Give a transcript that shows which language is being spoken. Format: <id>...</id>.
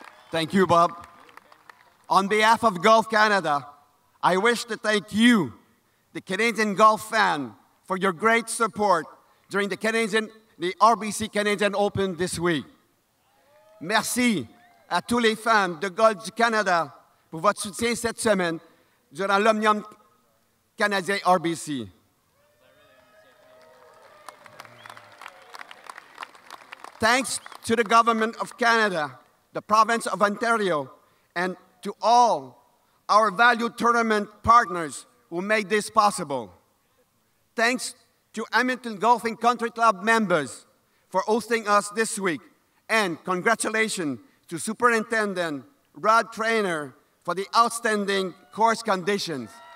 <en>Thank you, Bob. On behalf of Golf Canada, I wish to thank you, the Canadian golf fan, for your great support during the RBC Canadian Open this week.</en> <fr>Merci à tous les fans de golf du Canada pour votre soutien cette semaine durant l'Omnium Canadien RBC.</fr> <en>Thanks to the government of Canada, the province of Ontario, and to all our valued tournament partners who made this possible. Thanks to Hamilton Golf and Country Club members for hosting us this week, and congratulations to Superintendent Rod Trainer for the outstanding course conditions.</en>